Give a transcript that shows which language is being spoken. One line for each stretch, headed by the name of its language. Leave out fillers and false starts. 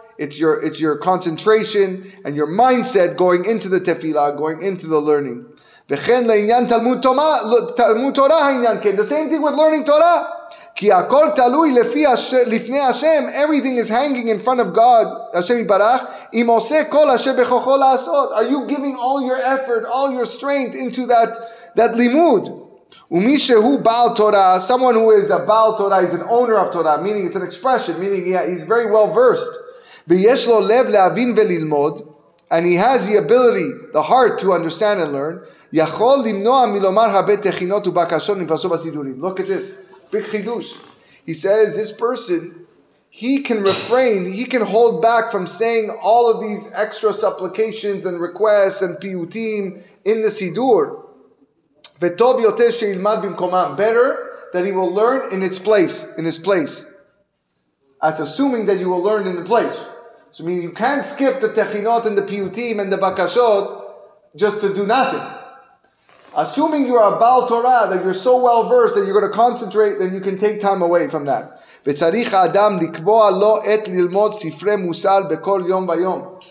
English: It's your concentration and your mindset going into the tefillah, going into the learning.
Hebrew: וכן לעניין תלמוד תורה, תלמוד תורה העניין, כן,
English: the same thing with learning Torah,
Hebrew: כי הכל תלוי לפני השם,
English: everything is hanging in front of God, השם יברך,
Hebrew: אם עושה כל אשר בכוחו לעשות,
English: are you giving all your effort, all your strength into that לימוד?
Hebrew: ומי שהוא בעל תורה,
English: someone who is a בעל תורה, is an owner of Torah, meaning it's an expression, meaning he's very well versed,
Hebrew: ויש לו לב להבין וללמוד,
English: and he has the ability, the heart to understand and learn,
Hebrew: יכול למנוע מלומר הרבה תכינות ובקשות מפרסו בסידורים.
English: Look at this, big chidush. He says this person, he can refrain, he can hold back from saying all of these extra supplications and requests and piyutim in the sidur.
Hebrew: וטוב יותר שילמד במקומם.
English: Better that he will learn in its place, in his place. That's assuming that you will learn in the place. So I mean, you can't skip the techinot and the piyutim and the bakashot just to do nothing. Assuming you are a Baal Torah, that you're so well versed that you're going to concentrate, then you can take time away from that.
Hebrew: וצריך האדם לקבוע לו את ללמוד ספרי מוסל בכל יום ויום.